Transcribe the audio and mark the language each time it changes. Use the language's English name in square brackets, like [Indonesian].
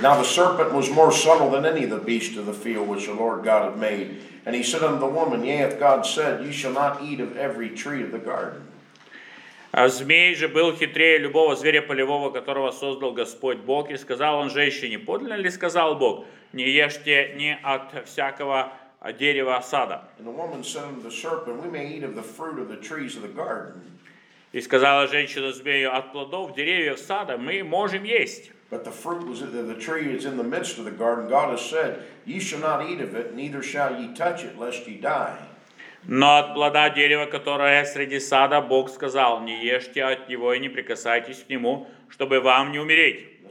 [English] Now the serpent was more subtle than any of the beasts of the field which the Lord God had made. And he said unto the woman, yea, hath God said, you shall not eat of every tree of the garden. [Russian] А змей же был хитрее любого зверя полевого, которого создал Господь Бог. И сказал он женщине, подлинно ли сказал Бог, не ешьте ни от всякого дерева сада. И сказала женщина змею, от плодов деревьев сада мы можем есть. [English] But the fruit was the tree is in the midst of the garden. God has said, ye shall not eat of it, neither shall ye touch it, lest ye die. [Russian] Но от плода дерева, которое среди сада, Бог сказал, не ешьте от него и не прикасайтесь к нему, чтобы вам не умереть.